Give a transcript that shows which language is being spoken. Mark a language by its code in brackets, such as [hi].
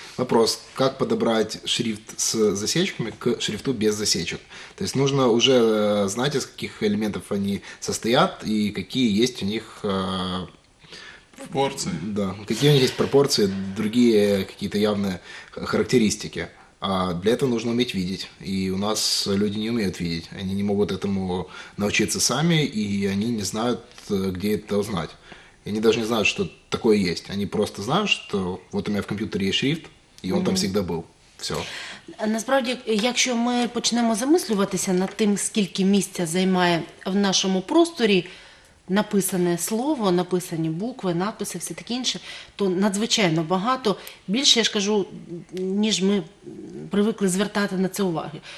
[uk] Вопрос, як підібрати шрифт з засечками [ru] к шрифту без засечок? [uk] Тобто, потрібно вже знати, з яких елементів вони состоять і які є у них [ru] Пропорции. Да. Какие у них есть пропорции, другие какие-то явные характеристики. А для этого нужно уметь видеть. И у нас люди не умеют видеть. Они не могут этому научиться сами, и они не знают, где это узнать. И они даже не знают, что такое есть. Они просто знают, что вот у меня в компьютере есть шрифт, и он там всегда был. Все. [uk] Насправді, якщо ми почнемо замислюватися над тим, скільки місця займає в нашому просторі написане слово, написані букви, написи, все таке інше, то надзвичайно багато, більше, я ж кажу, ніж ми привикли звертати на це уваги.